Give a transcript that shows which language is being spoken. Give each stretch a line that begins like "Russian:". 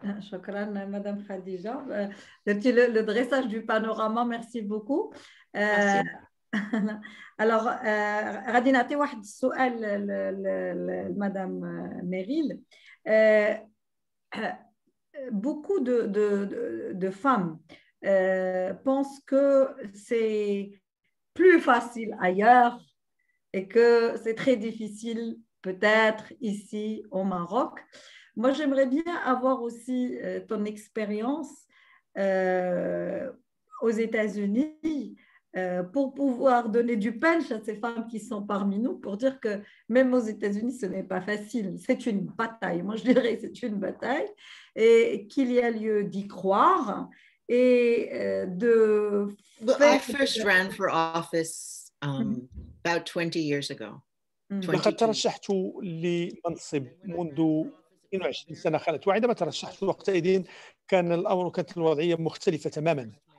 Arabic: شكرا مدام خديجه، درتي
French: لو دريساج دو بانوراما، ميرسي بوكو.
Arabic: الوغ غادي نعطي واحد السؤال لمدام ميريل.
French: Beaucoup de femmes pensent que c'est plus facile ailleurs et que c'est très difficile peut-être ici au Maroc. Moi, j'aimerais bien avoir aussi ton expérience aux États-Unis pour pouvoir donner du punch à ces femmes qui sont parmi nous, pour dire que même aux États-Unis, ce n'est pas facile. C'est une bataille, moi je dirais que c'est une bataille, et qu'il y a lieu d'y croire et de faire...
English: I first ran for office about 20 years ago.
Arabic: لقد ترشحت لمنصب منذ 22 سنة خلت، وعندما ترشحت وقتئذ كان الأمر كانت الوضعية مختلفة تماما.